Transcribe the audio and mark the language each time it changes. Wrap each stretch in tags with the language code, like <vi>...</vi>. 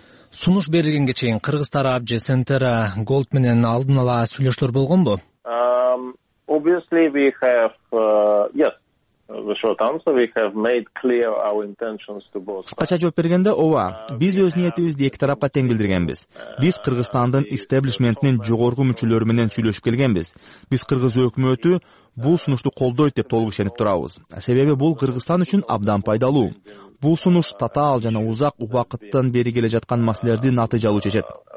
<ky>Сунуш берилгенге чейин кыргыз тарап же Сентера Голд менен алдын ала сүйлөшүүлөр болгонбу?</ky> <en>Obviously we have yes. The short answer, we have made clear our intentions to both.</en> <ky>Кыскача жооп бергенде, ооба, биз өз ниетибизди эки тарапка тең билдиргенбиз. Биз Кыргызстандын истеблишментинин жогорку мүчөлөрү менен сүйлөшүп келгенбиз. Биз кыргыз өкмөтү бул сунушту колдойт деп толук ишенип турабыз. Себеби бул Кыргызстан үчүн абдан пайдалуу. Бул сунуш татаал жана узак убакыттан бери келе жаткан маселелерди натыйжалуу чечет.</ky>